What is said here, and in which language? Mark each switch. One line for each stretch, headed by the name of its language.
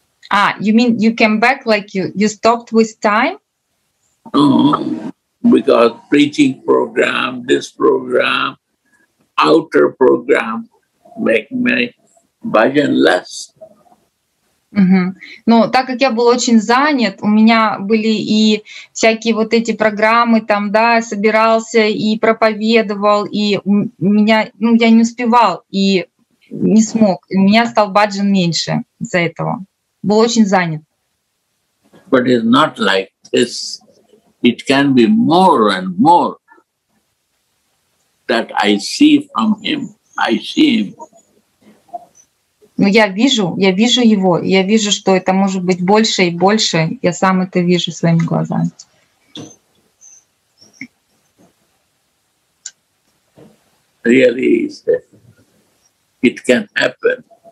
English: Ah, you mean you came back like you stopped with time? Because preaching program, this program, outer program make my bhajan less.
Russian: Но так как я был очень занят, у меня были и всякие вот эти программы, там, да, собирался и проповедовал, и я не успевал и не смог. И у меня стал баджан меньше из-за этого. Был очень занят.
English: But it's not like this. It can be more and more that I see from him. I see him.
Russian: Но я вижу его, я вижу, что это может быть больше и больше. Я сам это вижу своими глазами.
English: Really, it can happen.